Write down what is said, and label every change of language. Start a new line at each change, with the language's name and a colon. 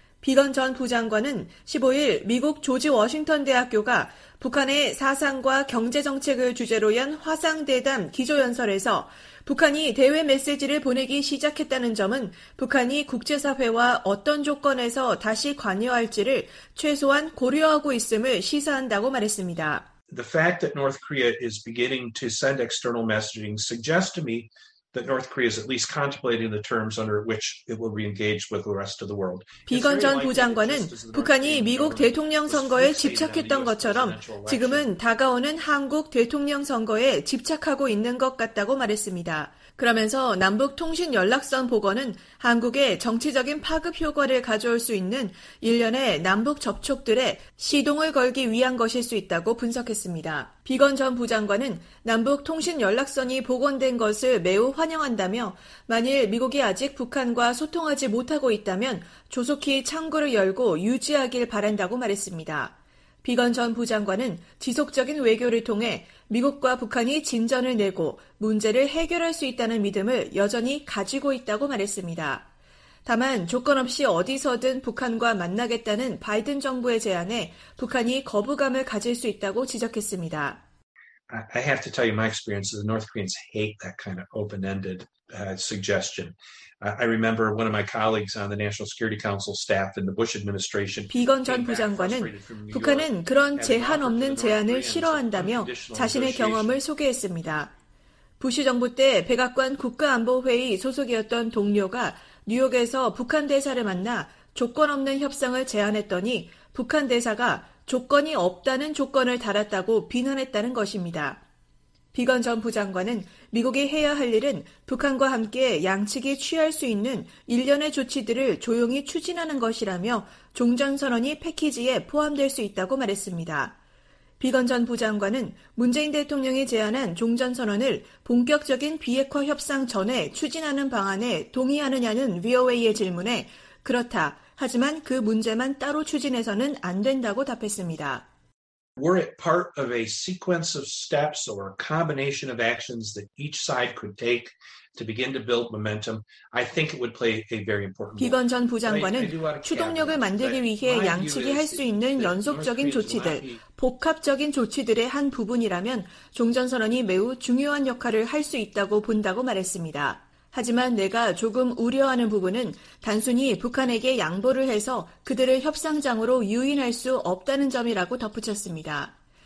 Korean: 비건 전 부장관은 15일 미국 조지 워싱턴 대학교가 북한의 사상과 경제정책을 주제로 연 화상대담 기조연설에서 북한이 대외 메시지를 보내기 시작했다는 점은 북한이 국제사회와 어떤 조건에서 다시 관여할지를 최소한 고려하고 있음을 시사한다고 말했습니다.
English: The fact that North Korea is beginning to send external messaging suggests to me that North Korea is at least contemplating the terms under which it will re-engage with the rest of the world.
Korean: 비건 전 부장관은 북한이 미국 대통령 선거에 집착했던 것처럼 지금은 다가오는 한국 대통령 선거에 집착하고 있는 것 같다고 말했습니다. 그러면서 남북 통신 연락선 복원은 한국의 정치적인 파급 효과를 가져올 수 있는 일련의 남북 접촉들에 시동을 걸기 위한 것일 수 있다고 분석했습니다. 비건 전 부장관은 남북 통신 연락선이 복원된 것을 매우 환영한다며 만일 미국이 아직 북한과 소통하지 못하고 있다면 조속히 창구를 열고 유지하길 바란다고 말했습니다. 비건 전 부장관은 지속적인 외교를 통해 미국과 북한이 진전을 내고 문제를 해결할 수 있다는 믿음을 여전히 가지고 있다고 말했습니다. 다만 조건 없이 어디서든 북한과 만나겠다는 바이든 정부의 제안에 북한이 거부감을 가질 수 있다고 지적했습니다.
English: I have to tell you my experience is the North Koreans hate that kind of open-ended suggestion. I remember one of my colleagues on the National Security Council staff in the Bush administration.
Korean: 비건 전 부장관은 북한은 그런 제한 없는 제안을 싫어한다며 자신의 경험을 소개했습니다. 부시 정부 때 백악관 국가안보회의 소속이었던 동료가 뉴욕에서 북한 대사를 만나 조건 없는 협상을 제안했더니 북한 대사가 조건이 없다는 조건을 달았다고 비난했다는 것입니다. 비건 전 부장관은 미국이 해야 할 일은 북한과 함께 양측이 취할 수 있는 일련의 조치들을 조용히 추진하는 것이라며 종전선언이 패키지에 포함될 수 있다고 말했습니다. 비건 전 부장관은 문재인 대통령이 제안한 종전선언을 본격적인 비핵화 협상 전에 추진하는 방안에 동의하느냐는 VOA의 질문에 그렇다, 하지만 그 문제만 따로 추진해서는 안 된다고 답했습니다.
English: Were it part of a sequence of steps or a combination of actions that each side could take to begin to build momentum, I think it would play a very important role.
Korean: 비건 전 부장관은 추동력을 만들기 위해 양측이 할 수 있는 연속적인 조치들, 복합적인 조치들의 한 부분이라면 종전선언이 매우 중요한 역할을 할 수 있다고 본다고 말했습니다. 하지만 내가 조금 우려하는 부분은 단순히 북한에게 양보를 해서 그들을 협상장으로 유인할 수 없다는 점이라고 덧붙였습니다.